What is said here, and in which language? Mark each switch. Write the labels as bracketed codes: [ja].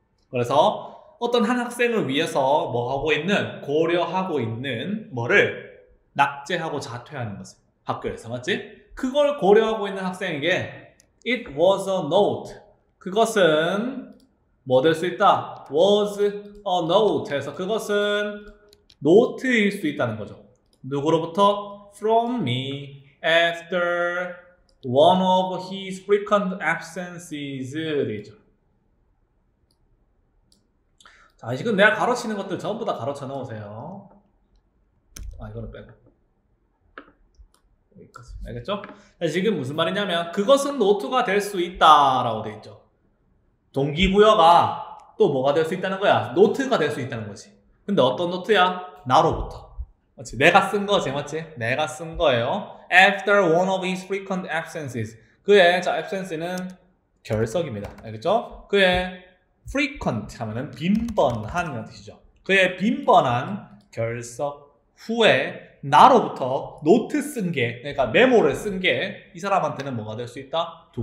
[ko] 그래서 어떤 한 학생을 위해서 뭐 하고 있는, 고려하고 있는 뭐를 낙제하고 자퇴하는 것을 학교에서 맞지? 그걸 고려하고 있는 학생에게 [en] it was a note. [ko] 그것은 뭐될수 있다? [en] was a note [ko] 에서 그것은 노트일 수 있다는 거죠. 누구로부터? [en] From me, after one of his frequent absences이죠. [ko] 자, 지금 내가 가르치는 것들 전부 다 가르쳐 놓으세요. 아, 이거는 빼고. 여기까지. 알겠죠? 자, 지금 무슨 말이냐면, 그것은 노트가 될수 있다라고 돼 있죠. 동기부여가 또 뭐가 될수 있다는 거야? 노트가 될수 있다는 거지. 근데 어떤 노트야? 나로부터. 맞지? 내가 쓴 거지, 맞지? 내가 쓴 거예요. [en] After one of his frequent absences. [ko] 그의, 자, absence는 결석입니다. 알겠죠? 그의 frequent 하면은 빈번한이라는 뜻이죠. 그의 빈번한 결석 후에 나로부터 노트 쓴 게, 그러니까 메모를 쓴게이 사람한테는 뭐가 될수 있다?